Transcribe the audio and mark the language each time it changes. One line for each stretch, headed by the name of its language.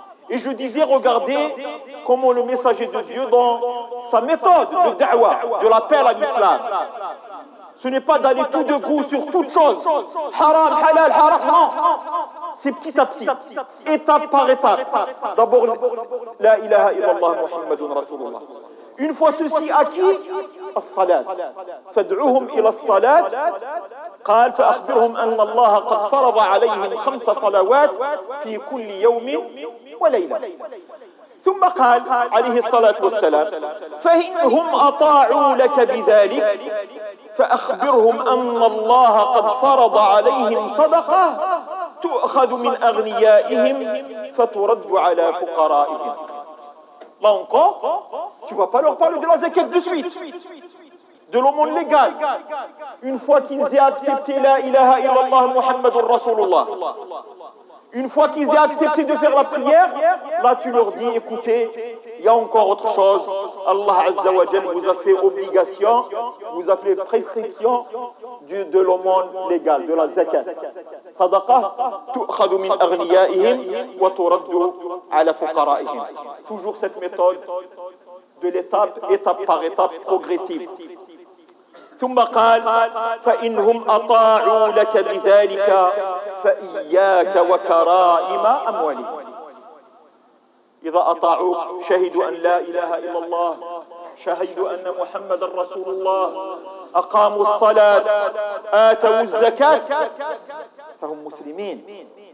French: Et je disais, regardez comment le messager de Dieu, dans sa méthode de da'wa, de l'appel à l'islam, ce n'est pas d'aller tout de goût sur toute chose. Haram, halal, haram, non. C'est petit à petit, étape par étape. D'abord,
Arabic: la ilaha illallah Muhammadun Rasulullah.
French: Une fois ceci acquis,
Arabic: الصلاه فادعوهم الى الصلاه قال فاخبرهم ان الله قد فرض عليهم 5 صلوات في كل يوم وليله ثم قال عليه الصلاه والسلام فانهم اطاعوا لك بذلك فاخبرهم ان الله قد فرض عليهم صدقه تؤخذ من اغنيائهم فترد على فقرائهم.
French: Là encore, tu ne vas pas leur parler de la zakat de suite, de l'aumône légale. Une fois qu'ils aient accepté
Arabic: la ilaha illallah Muhammadur Rasulullah,
French: une fois qu'ils aient accepté de faire la prière, là tu leur dis, écoutez, il y a encore autre chose. Allah Azza wa Jal vous a fait obligation, vous a fait prescription de l'aumône légale, de la zakat.
Arabic: Sadaqa, tu'khadu min aghniyaihim wa turaddu ala fuqaraihim.
French: Toujours cette méthode de l'étape, étape par étape, progressive.
Arabic: ثم قال فإنهم أطاعوا لك بذلك فإياك وكرائم أموالهم. إذا أطاعوك شهدوا أن لا إله إلا الله، شهدوا أن محمد رسول الله، أقاموا الصلاة، آتوا الزكاة، فهم مسلمين.